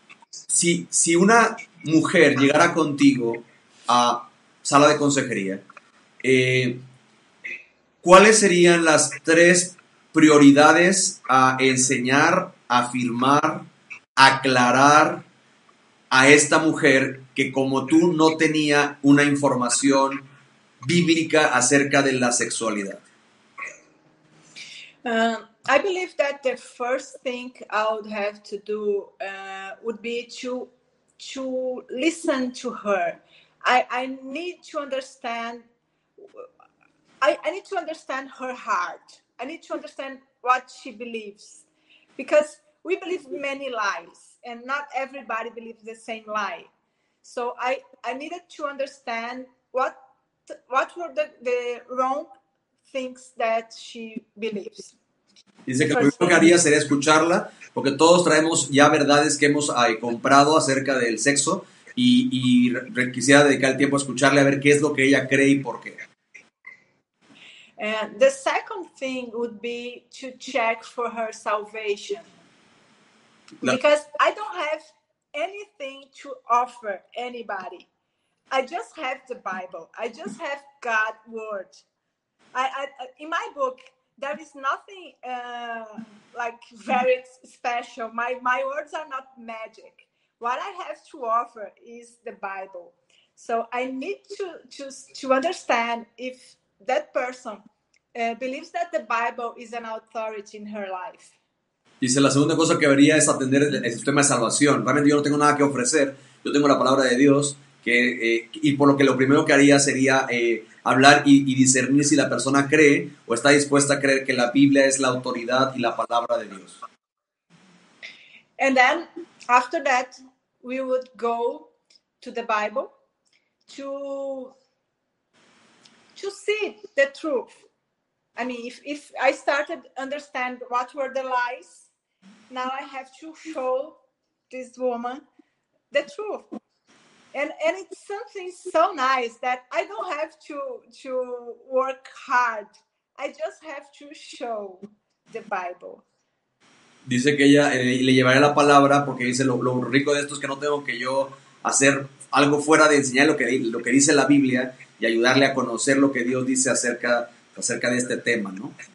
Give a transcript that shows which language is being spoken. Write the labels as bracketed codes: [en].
[es] Si una mujer llegara contigo a sala de consejería, ¿cuáles serían las tres prioridades a enseñar, afirmar, aclarar a esta mujer que como tú no tenía una información bíblica acerca de la sexualidad? [en] I believe that the first thing I would have to do would be to listen to her. I need to understand. I need to understand her heart. I need to understand what she believes, because we believe many lies, and not everybody believes the same lie. So I needed to understand what were the wrong things that she believes. [es] Dice que lo primero que haría sería escucharla, porque todos traemos ya verdades que hemos comprado acerca del sexo y quisiera dedicar el tiempo a escucharle a ver qué es lo que ella cree y por qué. [en] And the second thing would be to check for her salvation. Because I don't have anything to offer anybody. I just have the Bible. I just have God's word. I in my book, there is nothing like very special. My words are not magic. What I have to offer is the Bible. So I need to understand if that person believes that the Bible is an authority in her life. [es] Dice, la segunda cosa que vería es atender el sistema de salvación. Realmente yo no tengo nada que ofrecer. Yo tengo la palabra de Dios. Y por lo que lo primero que haría sería hablar y discernir si la persona cree o está dispuesta a creer que la Biblia es la autoridad y la palabra de Dios. [en] And then, after that, we would go to the Bible to see the truth. I mean, if I started understand what were the lies, now I have to show this woman the truth. And it's something so nice that I don't have to work hard. I just have to show the Bible. [es] Dice que ella le llevaré la palabra porque dice lo rico de esto es que no tengo que yo hacer algo fuera de enseñar lo que dice la Biblia y ayudarle a conocer lo que Dios dice acerca de este tema, ¿no?